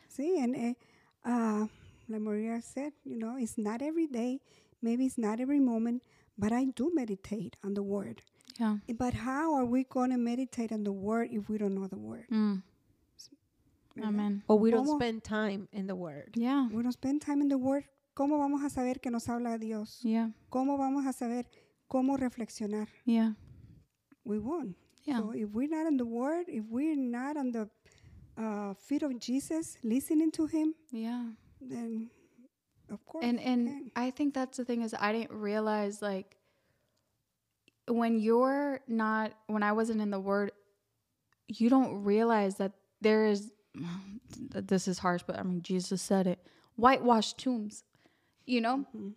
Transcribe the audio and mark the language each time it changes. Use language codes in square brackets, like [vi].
[en] See, and like Maria said, you know, it's not every day. Maybe it's not every moment, but I do meditate on the word. Yeah. But how are we going to meditate on the word if we don't know the word? Mm. Amen. Or we don't spend time in the word. Yeah. We don't spend time in the word. [es] ¿Cómo vamos a saber que nos habla Dios? [en] Yeah. [es] ¿Cómo vamos a saber cómo reflexionar? [en] Yeah. We won't. Yeah. So if we're not in the word, if we're not on the feet of Jesus, listening to him, yeah, then of course. And I think that's the thing is I didn't realize, like, when I wasn't in the word, you don't realize that there is, this is harsh, but I mean, Jesus said it, whitewashed tombs, you know, mm-hmm.